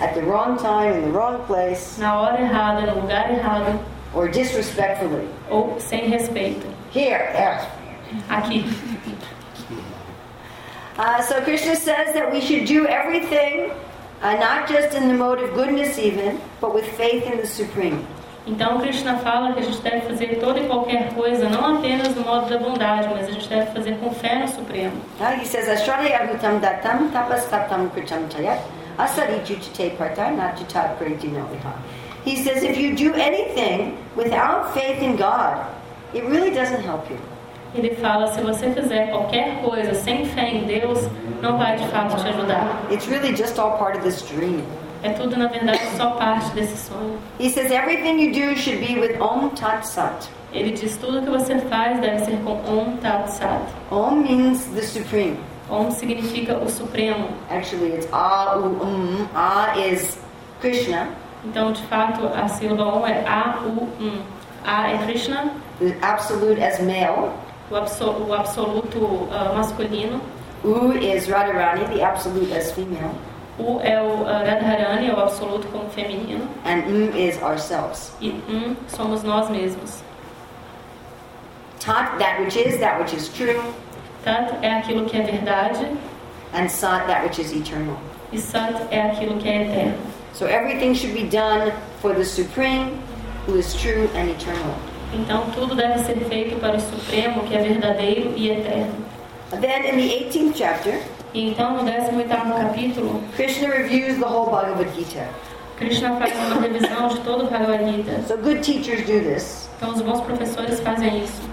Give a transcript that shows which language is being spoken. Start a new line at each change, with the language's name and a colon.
English: At the wrong time, in the wrong place.
Portuguese: Na hora errada, no lugar errado.
English: Or disrespectfully.
Portuguese: Ou sem respeito.
English: Here, yes.
Portuguese: Aqui.
English: So Krishna says that we should do everything, not just in the mode of goodness even, but with faith in the Supreme.
Portuguese: Então Krishna fala que a gente deve fazer toda e qualquer coisa, não apenas no modo da bondade, mas a gente deve fazer com fé no Supremo.
Sanskrit: He says, Ashraya bhutam datam tapas tatam kucham chayat asarijujite parta natchitab kriti noviha.
English: He says, if you do anything without faith in God, it really doesn't help you.
Portuguese: Ele fala, se você fizer qualquer coisa sem fé em Deus, não vai de fato te ajudar.
English: It's really just all part of this dream.
Portuguese: É tudo, na verdade, só parte desse sonho.
English: He says, everything you do should be with Om Tat Sat.
Portuguese: Ele diz, tudo que você faz deve ser com Om Tat Sat.
English: Om means the Supreme.
Portuguese: Om significa o Supremo.
English: Actually, it's A, U, M. A is Krishna.
Portuguese: Então, de fato, a sílaba Om é A, U, M. A é Krishna.
English: The Absolute as male.
Portuguese: O absoluto masculino.
English: U is Radharani, the absolute as female.
Portuguese: U é o Radharani, o absoluto como feminino.
English: And M is ourselves.
Portuguese: E M somos nós mesmos.
English: Tat, that which is true.
Portuguese: Tat é aquilo que é verdade.
English: And Sat, that which is eternal.
Portuguese: E Sat é aquilo que é eterno.
English: So everything should be done for the Supreme, who is true and eternal.
Portuguese: Então tudo deve ser feito para o Supremo, que é verdadeiro e eterno.
English: Then in the 18th chapter,
Portuguese: e então no 18º capítulo,
English: Krishna reviews the whole Bhagavad Gita.
Portuguese: Krishna faz uma revisão de todo o Bhagavad Gita.
English: So good teachers do this.
Portuguese: Então os bons professores fazem isso.